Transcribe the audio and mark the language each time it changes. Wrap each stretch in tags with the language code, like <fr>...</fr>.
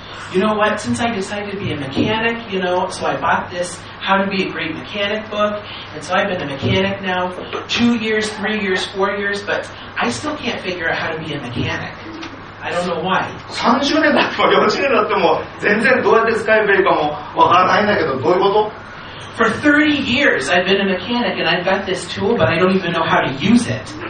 <en>You know what, since I decided to be a mechanic, you know, so I bought this How to Be a Great Mechanic book, and so I've been a mechanic now 2 years, 3 years, 4 years, but I still can't figure out how to be a mechanic. I don't know why.</en> <ja>30年だっても40年だっても全然どうやって使えばいいかもわからないんだけど、どういうこと？</ja> <en>For 30 years I've been a mechanic and I've got this tool but I don't even know how to use it.</en>